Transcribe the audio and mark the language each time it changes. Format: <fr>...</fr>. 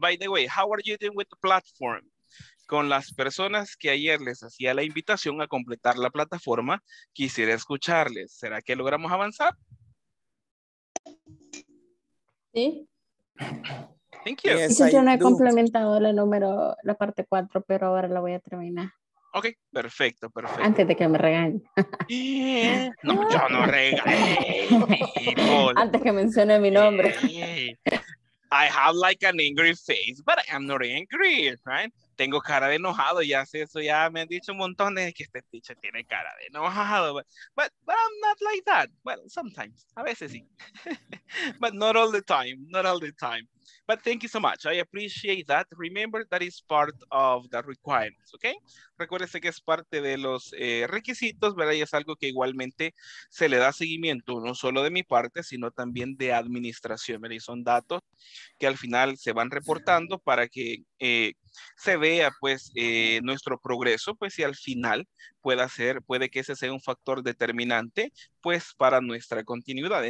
<en>By the way, how are you doing with the platform?</en> <es>Con las personas que ayer les hacía la invitación a completar la plataforma, quisiera escucharles. ¿Será que logramos avanzar? Sí.</es> <en>Thank you.</en> <es>Yes, yo no he complementado la número, la parte 4, pero ahora la voy a terminar. Ok, perfecto, perfecto. Antes de que me regañe. No, yo no regañe. Antes que mencione mi nombre.</es> <en>I have like an angry face, but I'm not angry, right?</en> <es>Tengo cara de enojado, ya sé eso, ya me han dicho un montón de que este teacher tiene cara de enojado.</es> <en>But I'm not like that. Well, sometimes,</en> <es>a veces sí.</es> <en>But not all the time. But thank you so much. I appreciate that. Remember, that is part of the requirements, okay?</en> <es>Recuérdese que es parte de los requisitos, ¿verdad? Y es algo que igualmente se le da seguimiento, no solo de mi parte, sino también de administración, ¿verdad? Y son datos que al final se van reportando para que se vea, pues, nuestro progreso, pues, y al final puede que ese sea un factor determinante, pues, para nuestra continuidad.</es>